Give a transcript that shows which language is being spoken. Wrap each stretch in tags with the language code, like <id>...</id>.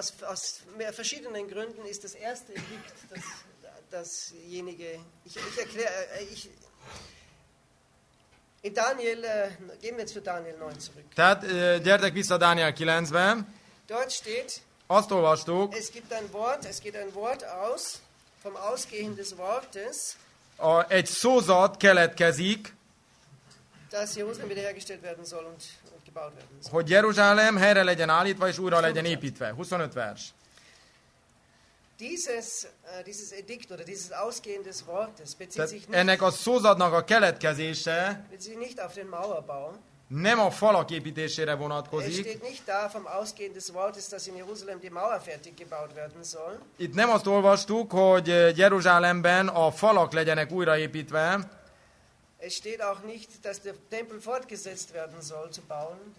<de>Aus mehr verschiedenen Gründen ist das erste Edikt, dasjenige, ich erkläre. In Daniel, gehen wir jetzt für Daniel 9 zurück.</de> <hu>Tehát gyertek vissza Daniel 9-be.</hu> <de>Dort steht,</de> <hu>azt olvastuk,</hu> <de>es gibt ein Wort, es geht ein Wort aus, vom Ausgehen des Wortes,</de> <hu>egy szózat keletkezik,</hu> <de>dass Jerusalem wiederhergestellt werden soll und gebaut werden soll.</de> <hu>Hogy Jeruzsálem helyre legyen állítva és újra legyen építve. 25 vers.</hu> <de>Dieses Edikt oder dieses Ausgehen des Wortes bezieht sich nicht</de> <hu>ennek a szózatnak a keletkezése</hu> <de>bezieht sich nicht auf den Mauerbau.</de> <hu>nem a falak építésére vonatkozik.</hu> <de>Es steht nicht da vom Ausgehen des Wortes, dass in Jerusalem die Mauer fertig gebaut werden soll.</de> <hu>Itt nem azt olvastuk, hogy Jeruzsálemben a falak legyenek újraépítve.</hu> <de>Es steht auch nicht, dass der Tempel fortgesetzt werden soll zu bauen.</de>